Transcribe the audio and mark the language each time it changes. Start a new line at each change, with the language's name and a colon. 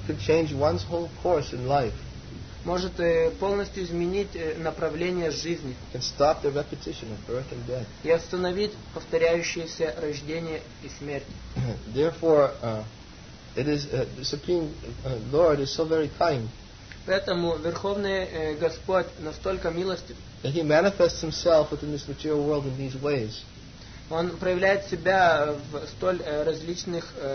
English: could change one's whole course in life.
Russian: Может полностью изменить направление жизни.
English: Can stop the repetition of birth and death.
Russian: И остановить повторяющееся рождение и смерть.
English: Therefore, it is the Supreme Lord is so very kind.
Russian: Поэтому Верховный Господь настолько милостив.
English: That he manifests himself within this material world in these ways.
Russian: Он проявляет себя в столь различных